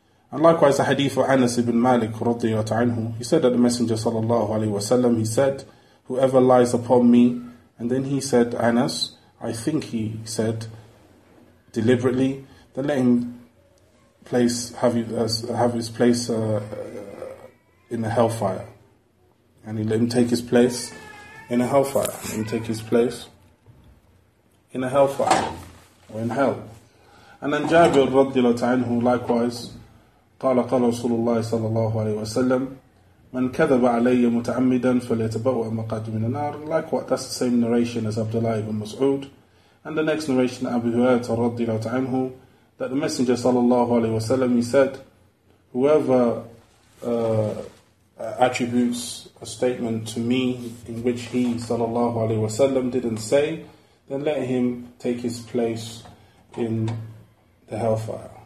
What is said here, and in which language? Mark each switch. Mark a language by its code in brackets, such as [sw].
[en] And likewise, the hadith of Anas ibn Malik radiyallahu anhu, he said that the Messenger sallallahu alaihi wasallam, he said, whoever lies upon me, and then he said, Anas, I think he said deliberately, then let him place have you have his place in the hellfire, and he let him take his place in a hellfire. Let him take his place in a hellfire or in hell. And then Jabir radiallahu anhu likewise, [ar] قَالَ قَالَ رَسُولُ اللَّهِ صَلَى اللَّهُ عَلَيْهِ وَسَلَّمَ مَنْ كَذَبَ عَلَيَّ مُتَعَمِّدًا فَلْيَتَبَوَّأْ مَقْعَدَهُ مِنَ النَّارِ. [en] Likewise, that's the same narration as Abdullah ibn Mas'ud. And the next narration, Abu Hurairah radiallahu anhu, that the Messenger صلى الله عليه وسلم, he said, whoever attributes a statement to me in which he صلى الله عليه وسلم didn't say, then let him take his place in the hellfire.